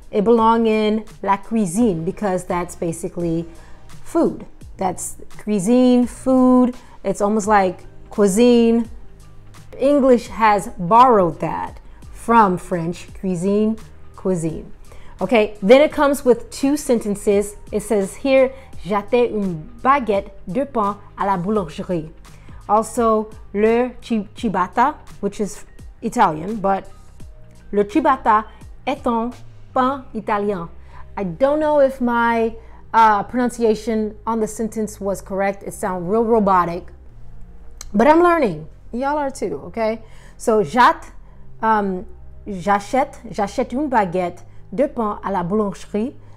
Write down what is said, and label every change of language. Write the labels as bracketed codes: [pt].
[en] It belongs in la cuisine, because that's basically food. That's cuisine, food. It's almost like cuisine. English has borrowed that from French, cuisine, cuisine. Okay, then it comes with two sentences. It says here, [fr] j'étais une baguette de pain à la boulangerie. Also, le ciabatta, [en] which is Italian, but [fr] le ciabatta est un pain italien. [en] I don't know if my pronunciation on the sentence was correct. It sounds real robotic, but I'm learning. Y'all are too, okay? [fr] So, j'achète une baguette de pain à la boulangerie.